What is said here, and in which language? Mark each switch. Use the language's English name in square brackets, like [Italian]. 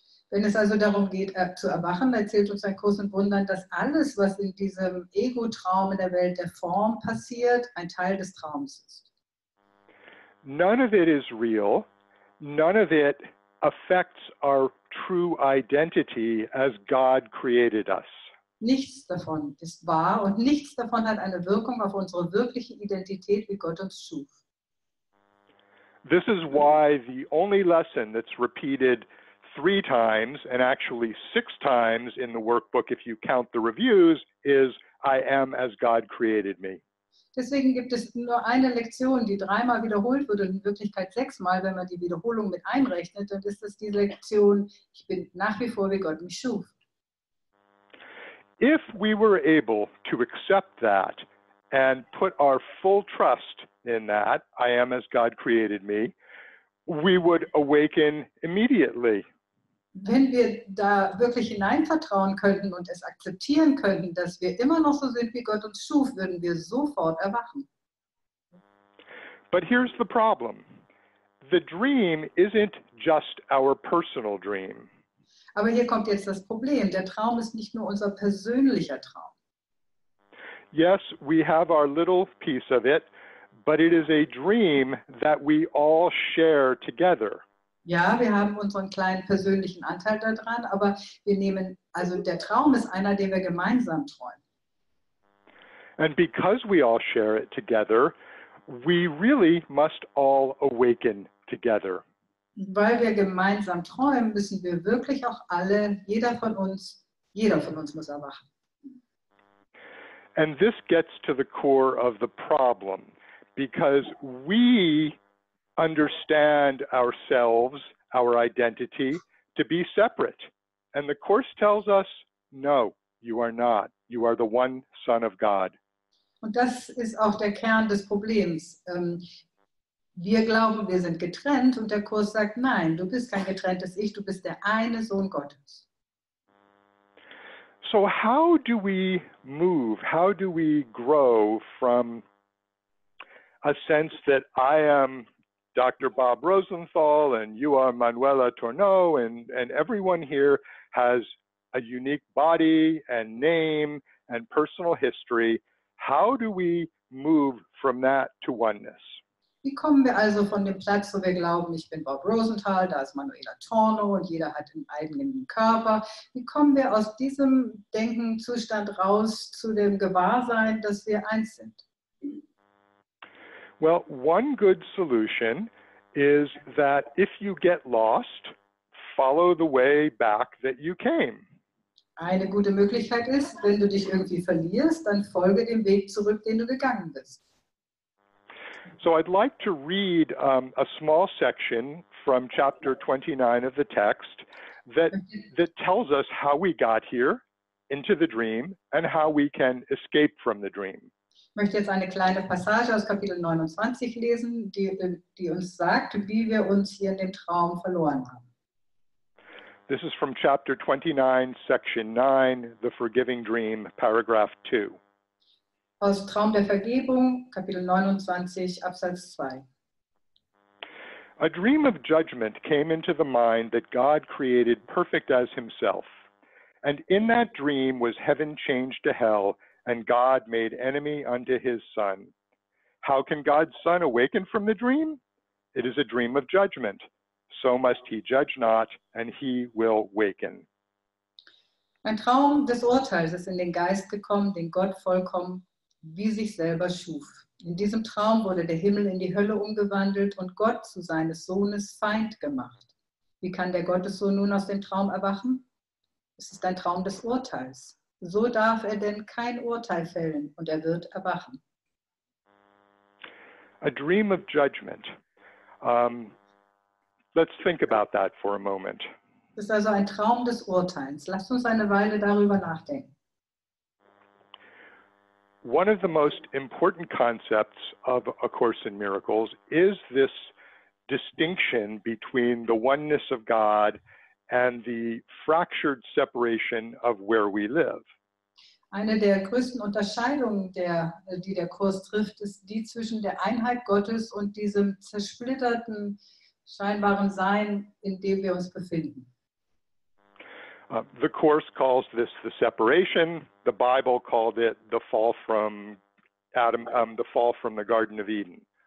[German] Wenn es also darum geht, zu erwachen, erzählt uns ein Kurs in Wundern, dass alles, was in diesem Ego-Traum in der Welt der Form passiert, ein Teil des Traums ist. [English] None of it is real. None of it affects our true identity as God created us. [German] Nichts davon ist wahr und nichts davon hat eine Wirkung auf unsere wirkliche Identität, wie Gott uns schuf. [English] This is why the only lesson that's repeated 3 times and actually 6 times in the workbook, if you count the reviews, is I am as God created me. [German] Deswegen gibt es nur eine Lektion, die 3-mal wiederholt wird und in Wirklichkeit 6-mal, wenn man die Wiederholung mit einrechnet, dann ist es die Lektion, ich bin nach wie vor, wie Gott mich schuf. [English] If we were able to accept that and put our full trust in that, I am as God created me, we would awaken immediately. [German] Wenn wir da wirklich hineinvertrauen könnten und es akzeptieren könnten, dass wir immer noch so sind, wie Gott uns schuf, würden wir sofort erwachen. [English] But here's the problem. The dream isn't just our personal dream. [German] Aber hier kommt jetzt das Problem. Der Traum ist nicht nur unser persönlicher Traum. [English] Yes, we have our little piece of it, but it is a dream that we all share together. [German] Ja, wir haben unseren kleinen persönlichen Anteil daran, aber wir nehmen, also der Traum ist einer, den wir gemeinsam träumen. [English] And because we all share it together, we really must all awaken together. [German] Weil wir gemeinsam träumen, müssen wir wirklich auch alle, jeder von uns muss erwachen. [English] And this gets to the core of the problem, because we understand ourselves, our identity, to be separate. And the Course tells us, no, you are not. You are the one Son of God. [German] Und das ist auch der Kern des Problems. Wir glauben, wir sind getrennt, und der Kurs sagt, nein, du bist kein getrenntes Ich, du bist der eine Sohn Gottes. [English] So how do we move? How do we grow from a sense that I am Dr. Bob Rosenthal, and you are Manuela Tourneau, and everyone here has a unique body and name and personal history. How do we move from that to oneness? [German] Wie kommen wir also von dem Platz, wo wir glauben, ich bin Bob Rosenthal, da ist Manuela Tourneau und jeder hat einen eigenen Körper? Wie kommen wir aus diesem Denkenzustand raus zu dem Gewahrsein, dass wir eins sind? [English] Well, one good solution is that if you get lost, follow the way back that you came. [German] Eine gute Möglichkeit ist, wenn du dich irgendwie verlierst, dann folge dem Weg zurück, den du gegangen bist. [English] So I'd like to read a small section from chapter 29 of the text that tells us how we got here into the dream and how we can escape from the dream. [German] möchte jetzt eine kleine Passage aus Kapitel 29 lesen, die uns sagt, wie wir uns hier in dem Traum verloren haben. [English] This is from chapter 29, section 9, The Forgiving Dream, paragraph 2. [German] Aus Traum der Vergebung, Kapitel 29, Absatz 2. [English] A dream of judgment came into the mind that God created perfect as himself. And in that dream was heaven changed to hell, and God made enemy unto his son. How can God's son awaken from the dream? It is a dream of judgment. So must he judge not, and he will waken. [German] Ein Traum des Urteils ist in den Geist gekommen, den Gott vollkommen wie sich selber schuf. In diesem Traum wurde der Himmel in die Hölle umgewandelt und Gott zu seines Sohnes Feind gemacht. Wie kann der Gottessohn nun aus dem Traum erwachen? Es ist ein Traum des Urteils. So darf er denn kein Urteil fällen und er wird erwachen. [English] A dream of judgment. Let's think about that for a moment. [German] Es ist also ein Traum des Urteils. Lasst uns eine Weile darüber nachdenken. [English] One of the most important concepts of A Course in Miracles is this distinction between the oneness of God and the fractured separation of where we live. [German] Eine der größten Unterscheidungen, die der Kurs trifft, ist die zwischen der Einheit Gottes und diesem zersplitterten, scheinbaren Sein, in dem wir uns befinden. [English] The Course calls this the separation. The Bible called it the fall from Adam, the fall from the Garden of Eden.